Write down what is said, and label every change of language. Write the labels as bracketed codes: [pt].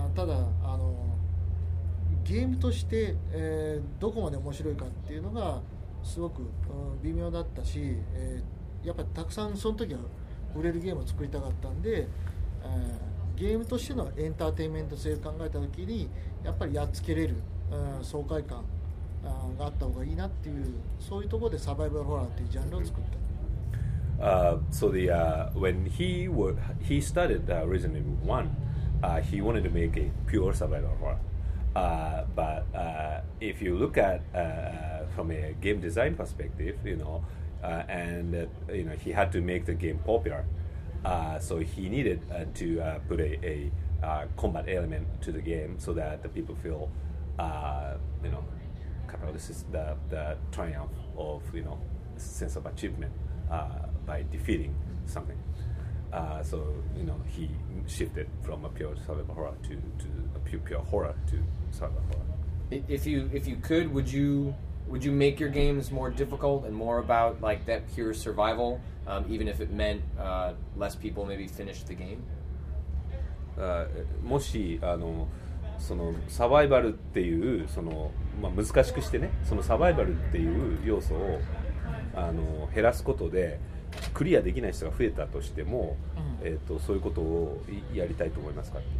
[ja] あただあのゲームとして、どこまで面白いかっていうのがすごく、微妙だったし、やっぱりたくさんその時は売れるゲームを作りたかったんで、ゲームとしてのエンターテインメント性を考えた時にやっぱりやっつけれる、爽快感、があった方がいいなっていう、そういうところでサバイバルホラーっていうジャンルを作った。 [en] So the when he started Resident Evil 1, he wanted to make a pure survival horror. But if you look at from a game design perspective, you know, and you know, he had to make the game popular. So he needed to put a combat element to the game so that the people feel, you know, kind of this is the triumph of, you know, sense of achievement by defeating something. So, you know, he shifted from a pure survival horror to a pure horror to survival horror. If you could, would you make your games more difficult and more about like that pure survival, even if it meant less people maybe finished the game? [ja] もしあのそのサバイバルっていうその、まあ、難しくしてね、そのサバイバルっていう要素をあの減らすことでクリアできない人が増えたとしても、そういうことをやりたいと思いますか？